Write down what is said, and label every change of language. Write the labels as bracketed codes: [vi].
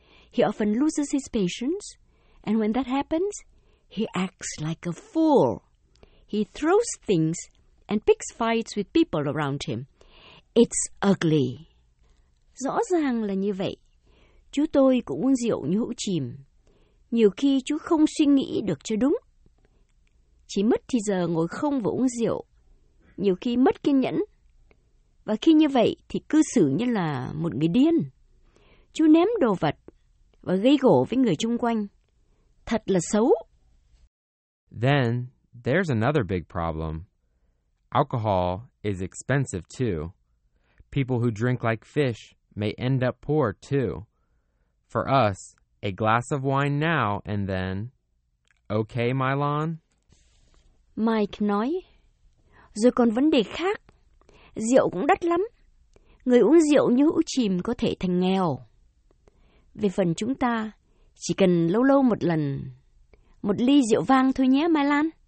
[en] He often loses his patience, and when that happens, he acts like a fool. He throws things and picks fights with people around him. It's ugly. [vi] Rõ ràng là như vậy. chú tôi cũng uống rượu như hũ chìm. Nhiều khi chú không suy nghĩ được cho đúng. Chỉ mất thì giờ ngồi không và uống rượu. Nhiều khi mất kiên nhẫn. Và khi như vậy thì cư xử như là một người điên. Chú ném đồ vật và gây gổ với người chung quanh. Thật là xấu. [en] Then, there's another big problem. Alcohol is expensive too. People who drink like fish may end up poor too. For us, a glass of wine now and then. Okay, Mylon? [vi] Mike nói, rồi còn vấn đề khác. Rượu cũng đắt lắm. Người uống rượu như hũ chìm có thể thành nghèo. Về phần chúng ta, chỉ cần lâu lâu một lần, một ly rượu vang thôi nhé, Mylon.